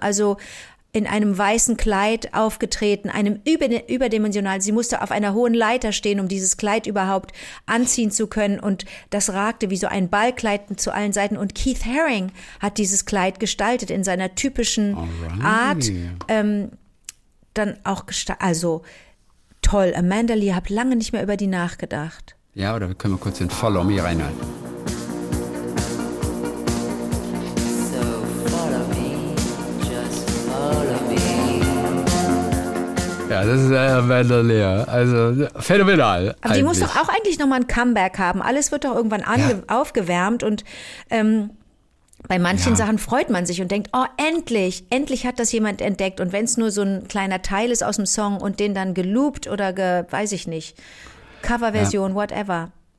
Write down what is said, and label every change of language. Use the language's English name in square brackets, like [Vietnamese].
[German] Also in einem weißen Kleid aufgetreten, einem überdimensionalen, sie musste auf einer hohen Leiter stehen, um dieses Kleid überhaupt anziehen zu können und das ragte wie so ein Ballkleid zu allen Seiten und Keith Haring hat dieses Kleid gestaltet in seiner typischen [English] Alrighty. [German] Art, dann auch gestaltet, also toll, Amanda Lear, hab lange nicht mehr über die nachgedacht. Ja, oder können wir kurz den Follow Me reinhalten? [English] So follow me, just follow me. [German] Ja, das ist Amanda Lear. Also phänomenal. Aber eigentlich. Die muss doch auch eigentlich nochmal ein Comeback haben. Alles wird doch irgendwann aufgewärmt und bei manchen Sachen freut man sich und denkt, oh, endlich hat das jemand entdeckt. Und wenn es nur so ein kleiner Teil ist aus dem Song und den dann geloopt oder weiß ich nicht, Coverversion, whatever.